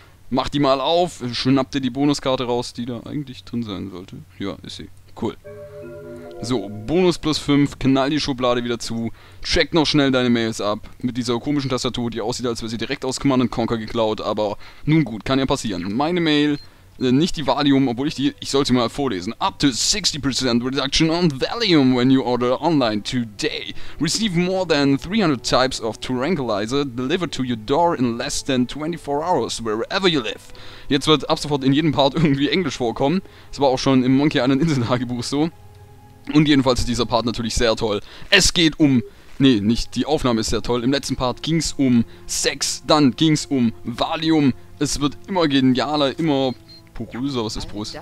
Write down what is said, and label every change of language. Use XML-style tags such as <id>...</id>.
<de>Mach die mal auf, schnappt ihr die Bonuskarte raus, die da eigentlich drin sein sollte. Ja, ist sie. Cool. So, Bonus plus 5, knall die Schublade wieder zu, check noch schnell deine Mails ab, mit dieser komischen Tastatur, die aussieht, als wäre sie direkt aus Command & Conquer geklaut, aber nun gut, kann ja passieren. Meine Mail, nicht die Valium, obwohl ich sollte mal vorlesen.</de> <en>Up to 60% reduction on Valium when you order online today. Receive more than 300 types of tranquilizer delivered to your door in less than 24 hours, wherever you live.</en> <de>Jetzt wird ab sofort in jedem Part irgendwie Englisch vorkommen, das war auch schon im Monkey Island Inseltagebuch so. Und jedenfalls ist dieser Part natürlich sehr toll. Es geht um... Nee, nicht. Die Aufnahme ist sehr toll. Im letzten Part ging es um Sex. Dann ging es um Valium. Es wird immer genialer, immer poröser. Was ist poröser?</de>